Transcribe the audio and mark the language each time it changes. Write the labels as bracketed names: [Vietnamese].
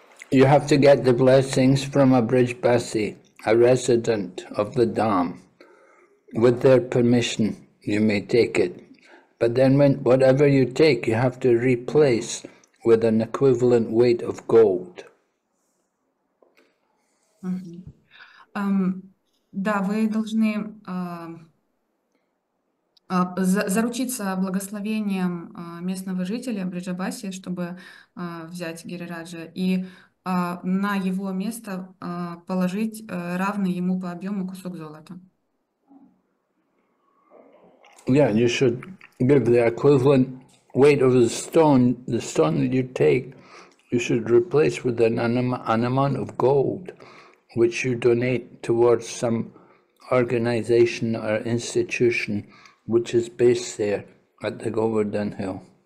[English] You have to get the blessings from a Brijbasi, a resident of the Dham. With their permission, you may take it. But then when whatever you take, you have to replace with an equivalent weight of gold. Mm-hmm. [Russian] Да, вы должны заручиться благословением местного жителя Бриджабаси, чтобы взять Гирираджа, и на его место положить равный ему по объему кусок золота. [English] Yeah, you should give the equivalent weight of the stone that you take, you should replace with an amount of gold, which you donate towards some organization or institution, which is based there at the Govardhan Hill.